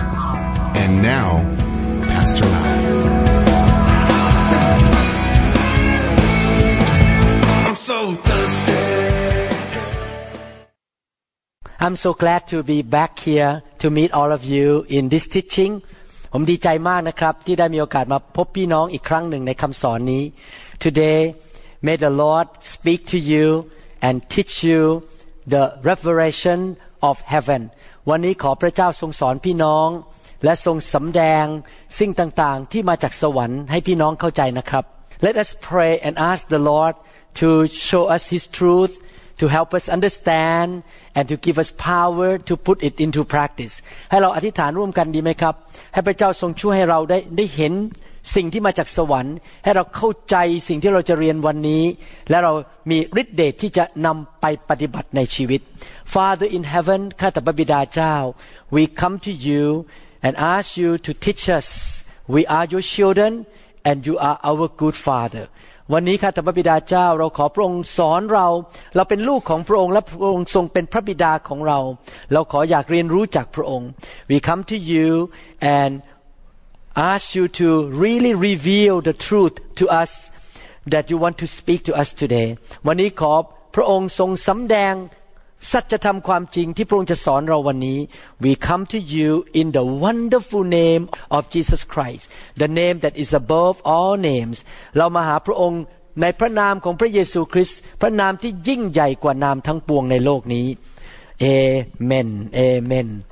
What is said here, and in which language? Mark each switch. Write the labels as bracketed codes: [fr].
[en] And now, Pastor Lau. I'm so thirsty. I'm so glad to be back here to meet all of you in this teaching. [th] ผมดีใจมากนะครับที่ได้มีโอกาสมาพบพี่น้องอีกครั้งหนึ่งในคำสอนนี้ [en] Today, may the Lord speak to you and teach you the revelation of heaven. [th] วันนี้ขอพระเจ้าทรงสอนพี่น้องและทรงสำแดงสิ่งต่างๆที่มาจากสวรรค์ให้พี่น้องเข้าใจนะครับ [en] Let us pray and ask the Lord to show us His truthTo help us understand and to give us power to put it into practice. [th] ให้เราอธิษฐานร่วมกันดีไหมครับให้พระเจ้าทรงช่วยให้เราได้เห็นสิ่งที่มาจากสวรรค์ให้เราเข้าใจสิ่งที่เราจะเรียนวันนี้และเรามีฤทธิ์เดชที่จะนำไปปฏิบัติในชีวิต [en] Father in heaven, [th] ข้าแต่พระบิดาเจ้า [en] We come to you and ask you to teach us. We are your children and you are our good Father. [th] วันนี้ข้าแต่พระบิดาเจ้าเราขอพระองค์สอนเราเราเป็นลูกของพระองค์และพระองค์ทรงเป็นพระบิดาของเราเราขออยากเรียนรู้จากพระองค์ [en] We come to you and ask you to really reveal the truth to us that you want to speak to us today [th] วันนี้ขอพระองค์ทรงสำแดงสัจธรรมความจริงที่พระองค์จะสอนเราวันนี้ [en] We come to you in the wonderful name of Jesus Christ the name that is above all names [th] เรามาหาพระองค์ในพระนามของพระเยซูคริสต์พระนามที่ยิ่งใหญ่กว่านามทั้งปวงในโลกนี้ [en] Amen Amen